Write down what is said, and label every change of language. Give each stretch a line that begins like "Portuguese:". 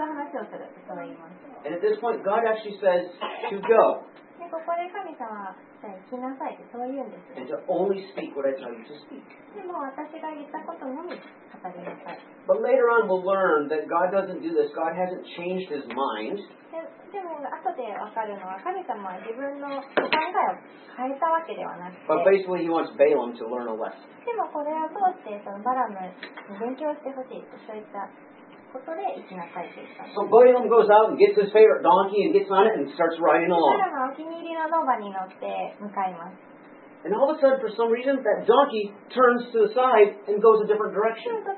English: And at this point, God actually says to go.
Japanese: ここで神様は行きなさいってそう言うんです。
English: And to only speak what I tell you to speak.
Japanese: でも私が言ったことのみ語りなさい。
English: But later on we'll learn that God doesn't do this. God hasn't changed his mind.
Japanese: でも後で分かるのは神様は自分の考えを変えたわけではなくて。
English: But basically he wants Balaam to learn a lesson.
Japanese: でもこれを通してそのバラムに勉強してほしいとそういった。
English: So Balaam goes out and gets his favorite donkey and gets on it and starts riding along. And all of a sudden, for some reason, that donkey turns to the side and goes a different direction.